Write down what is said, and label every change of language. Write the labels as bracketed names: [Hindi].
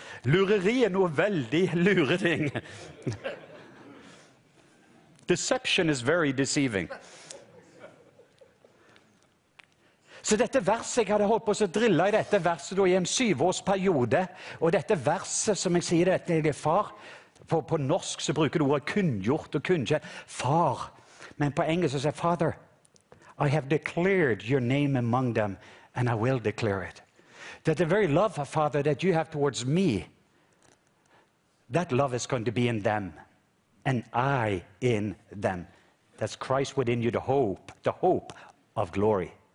[Norwegian] Lureri er noe veldig luring. [English] Deception is very deceiving. [Norwegian] Så dette verset, jeg hadde holdt på å drille i dette verset i en 7-årsperiode, og dette verset som jeg sier til deg, far, på norsk så bruker du ordet kunngjort og kunngjort, far, men på engelsk så sier, [English] Father, I have declared your name among them, and I will declare it. That the very love, Father, that you have towards me, that love is going to be in them. And I in them. That's Christ within you, the hope of glory.